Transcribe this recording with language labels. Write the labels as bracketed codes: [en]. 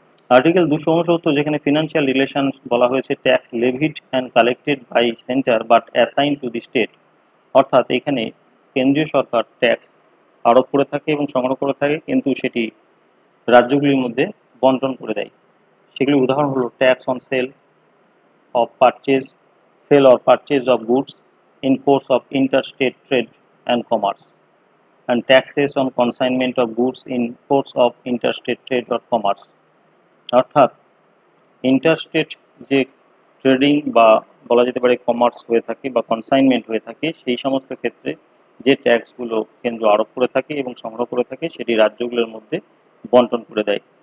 [bn] Article 269, যেখানে financial relation বলা হয়েছে [en] tax levied and collected by centre but assign to the state, [bn] অর্থাৎ এখানে কেন্দ্রীয় সরকার ট্যাক্স আরোপ করে থাকে এবং সংগ্রহ করে থাকে, কিন্তু সেটি রাজ্যগুলির মধ্যে বণ্টন করে দেয়। [en] সেগুলির উদাহরণ হলো tax on sale of purchase, sale or purchase of goods, enforce of inter state trade and commerce and taxes on consignment of goods in ports of interstate trade or commerce. [bn] অর্থাৎ ইন্টারস্টেট যে trading বা বলা যেতে পারে commerce হয়ে থাকে বা consignment হয়ে থাকে সেই সমস্ত ক্ষেত্রে যে ট্যাক্সগুলো কেন্দ্র আরোপ করে থাকে এবং সংগ্রহ করে থাকে সেটি রাজ্যগুলোর মধ্যে বণ্টন করে দেয়।